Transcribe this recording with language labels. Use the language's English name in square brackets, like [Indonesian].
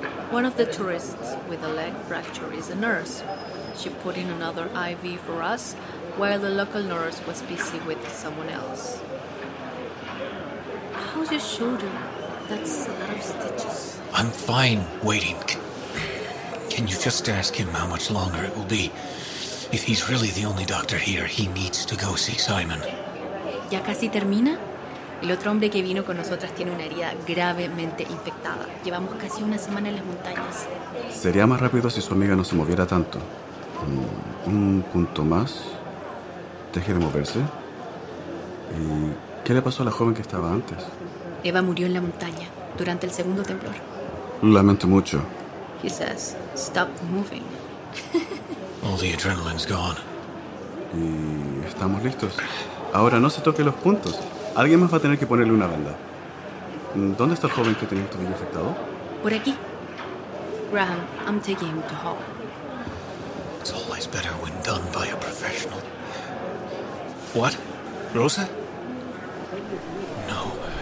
[English] One of the tourists with a leg fracture is a nurse. She put in another IV for us while the local nurse was busy with someone else. How's your shoulder? That's a lot of stitches. I'm fine waiting. Can you just ask him how much longer it will be? If he's really the only doctor here, he needs to go see Simon. [Spanish] ¿Ya casi termina? El otro hombre que vino con nosotras tiene una herida gravemente infectada. Llevamos casi una semana en las montañas. Sería más rápido si su amiga no se moviera tanto. Un punto más. Deje de moverse. ¿Y qué le pasó a la joven que estaba antes? Eva murió en la montaña durante el segundo temblor. Lamento mucho. [English] He says, stop moving. All the adrenaline's gone. [Spanish] Y estamos listos. Ahora no se toque los puntos. Alguien más va a tener que ponerle una venda. ¿Dónde está el joven que tenía el tobillo afectado? Por aquí. [English] Graham, I'm taking him to Hall. It's always better when done by a professional. What? Rosa? No.